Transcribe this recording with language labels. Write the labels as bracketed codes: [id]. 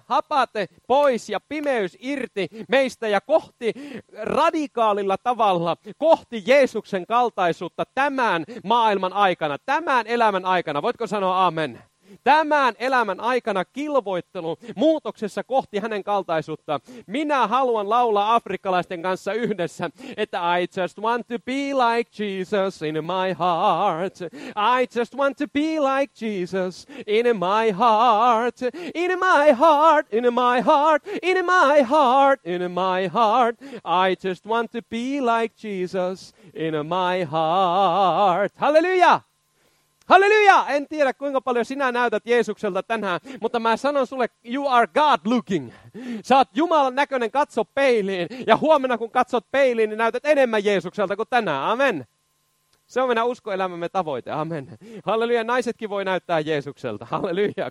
[fi] Hapate pois ja pimeys irti meistä ja kohti radikaalilla tavalla, kohti Jeesuksen kaltaisuutta tämän maailman aikana, tämän elämän aikana. Voitko sanoa aamen? Tämän elämän aikana kilvoittelu muutoksessa kohti hänen kaltaisuutta. Minä haluan laulaa afrikkalaisten kanssa yhdessä, että [en] I just want to be like Jesus in my heart. I just want to be like Jesus in my heart. In my heart, in my heart, in my heart, in my heart. I just want to be like Jesus in my heart. [fi] Halleluja! Halleluja! En tiedä, kuinka paljon sinä näytät Jeesukselta tänään, mutta mä sanon sulle, [en] you are God looking. [fi] Sä oot Jumalan näköinen, katso peiliin. Ja huomenna, kun katsot peiliin, niin näytät enemmän Jeesukselta kuin tänään. Amen. Se on meidän uskoelämämme tavoite. Amen. Halleluja. Naisetkin voi näyttää Jeesukselta. Halleluja.